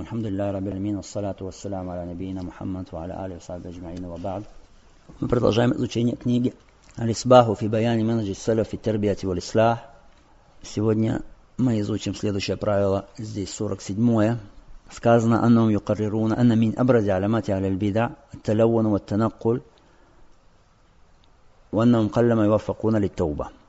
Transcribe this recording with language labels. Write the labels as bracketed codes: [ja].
[ar] الحمد لله رب العالمين, والصلاة والسلام على نبينا محمد وعلى آله وصحبه أجمعين, وبعد. [ru] Мы продолжаем изучение книги Алисбаху [ar] في بيان منهج السلف في التربية والإصلاح. [ru] Сегодня мы изучим следующее правило, здесь 47. Сказано, [ar] أنهم يقررون أن من أبرز علامات على البدع التلون والتنقل, وأنهم قلما يوفقون للتوبة.